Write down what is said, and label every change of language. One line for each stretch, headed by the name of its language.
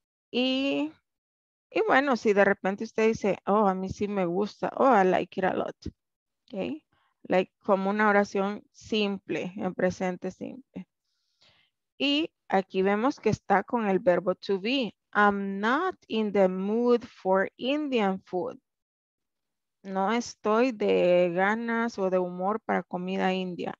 Spanish: Y bueno, si de repente usted dice, oh, a mí sí me gusta, oh,
English: I like it a lot.
Spanish: Ok. Like, como una oración simple, en presente simple. Y aquí vemos que está con el verbo to be.
English: I'm not in the mood for Indian food.
Spanish: No estoy de ganas o de humor para comida india.